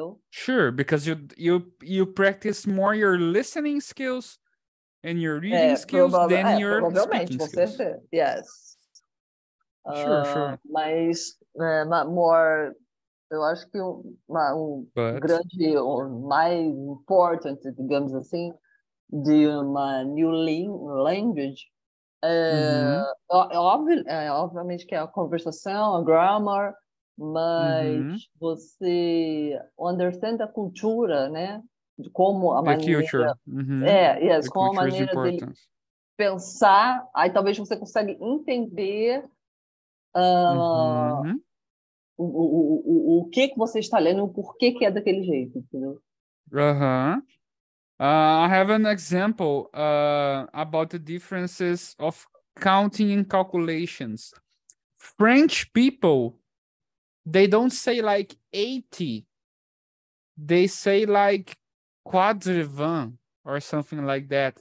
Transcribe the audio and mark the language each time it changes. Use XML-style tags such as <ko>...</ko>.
<en>Sure, because you practice more your listening skills and your reading skills than your speaking skills. Yes. Sure, sure.</en> <pt>Mas more, eu acho que grande, mais important, digamos assim, de uma</pt> <en>new language.</en> <pt>Obviamente que é a conversação, a grammar. Mas você understand a cultura, né? De como a maneira...</pt> <en>The culture. Mm-hmm.</en> <pt>Yes, como a maneira de pensar. Aí talvez você consiga entender o que que você está lendo, o porquê que é daquele jeito, entendeu? Uh-huh.</pt> <en>I have an example about the differences of counting and calculations. French people... They don't say like 80. They say like quatre vingt or something like that.</en>